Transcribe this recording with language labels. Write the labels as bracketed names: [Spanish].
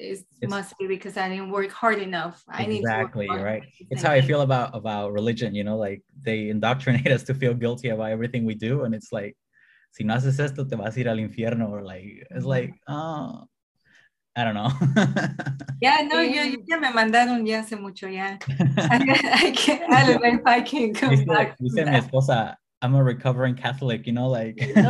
[English] It must be because I didn't work hard enough. It's how I feel about religion, you know, like they indoctrinate us to feel guilty about everything we do, and it's like, [Spanish] si no haces esto, te vas a ir al infierno. [English] Or like, it's like, oh, I don't know. Yeah, [Spanish] no, yo me mandaron ya hace mucho, ya. [English] I don't know if I can come back. [Spanish] Dice mi esposa, [English] I'm a recovering Catholic, you know, like.